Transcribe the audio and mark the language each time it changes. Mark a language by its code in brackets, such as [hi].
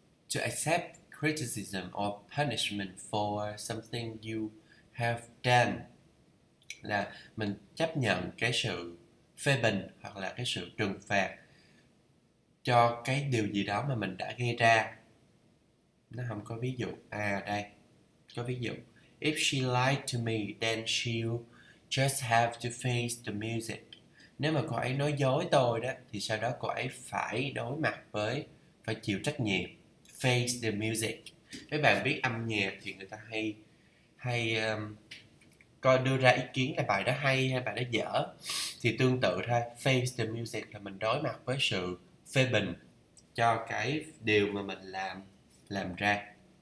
[en] To accept criticism or punishment for something you have done, [vi] là mình chấp nhận cái sự phê bình hoặc là cái sự trừng phạt cho cái điều gì đó mà mình đã gây ra. Nó không có ví dụ. À đây, có ví dụ. [en] If she lied to me, then she'll just have to face the music. [vi] Nếu mà cô ấy nói dối tôi đó, thì sau đó cô ấy phải đối mặt với, phải chịu trách nhiệm. Face the music. Mấy bạn biết âm nhạc thì người ta hay có đưa ra ý kiến là bài đó hay hay bài đó dở. Thì tương tự thôi, face the music là mình đối mặt với sự phê bình cho cái điều mà mình làm ra.